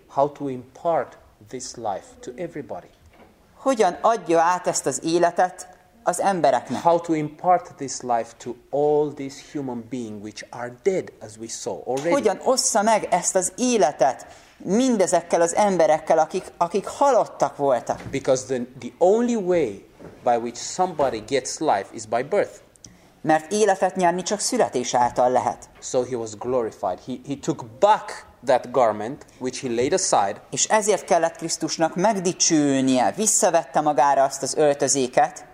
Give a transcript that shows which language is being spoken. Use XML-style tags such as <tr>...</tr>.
<en>How to impart this life to everybody?</en> <hu>Hogyan adja át ezt az életet az embereknek?</hu> <en>How to impart this life to all these human beings which are dead, as we saw already?</en> <hu>Hogyan ossza meg ezt az életet mindezekkel az emberekkel, akik halottak voltak?</hu> <en>Because the only way by which somebody gets life is by birth.</en> <hu>Mert életet nyerni csak születés által lehet.</hu> <en>So he was glorified. He took back that garment which he laid aside.</en> <hu>És ezért kellett Krisztusnak megdicsőnie, visszavette magára azt az öltözéket,</hu>